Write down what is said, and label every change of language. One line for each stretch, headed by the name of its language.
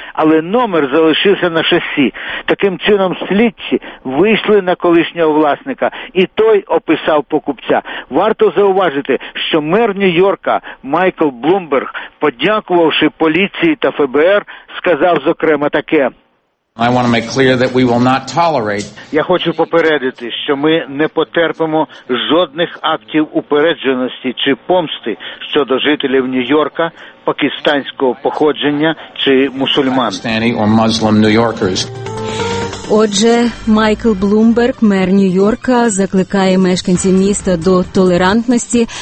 Ukrainian: Але номер залишився на шасі. Таким чином слідчі вийшли на колишнього власника, і той описав покупця. Варто зауважити, що мер Нью-Йорка Майкл Блумберг, подякувавши поліції та ФБР, сказав зокрема таке.
English: I want to make clear that we will not tolerate.
Ukrainian: Я хочу попередити, що ми не потерпимо жодних актів упередженості чи помсти щодо жителів Нью-Йорка пакистанського походження чи мусульман.
English: Pakistani or Muslim New Yorkers.
Ukrainian: Отже, Майкл Блумберг, мер Нью-Йорка, закликає мешканців міста до толерантності.